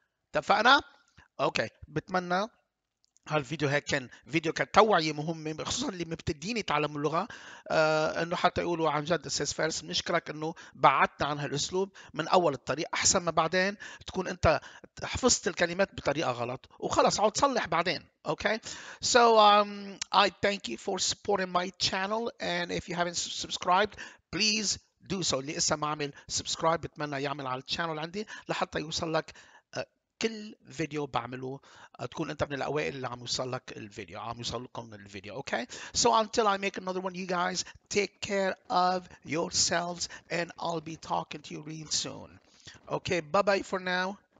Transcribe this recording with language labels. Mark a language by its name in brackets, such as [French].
[Arabic] اتفقنا؟ اوكي، بتمنى هالفيديو هيك كان فيديو كان توعية مهمة، خصوصا اللي مبتدين يتعلموا اللغة، انه حتى يقولوا عن جد استاذ فارس بنشكرك انه بعدتنا عن هالاسلوب من اول الطريق، احسن ما بعدين تكون انت حفظت الكلمات بطريقة غلط وخلص عاود تصلح بعدين. [English] Okay, so I thank you for supporting my channel, and if you haven't subscribed please do so. [Arabic] اللي لسه ما عمل سبسكرايب بتمنى يعمل على الشانل عندي لحتى يوصل لك كل فيديو بعمله، تكون انت من الاوائل اللي عم يوصل لك الفيديو، عم يوصل لكم الفيديو. [English] Okay, so until I make another one, you guys take care of yourselves and I'll be talking to you real soon. Okay, bye bye for now.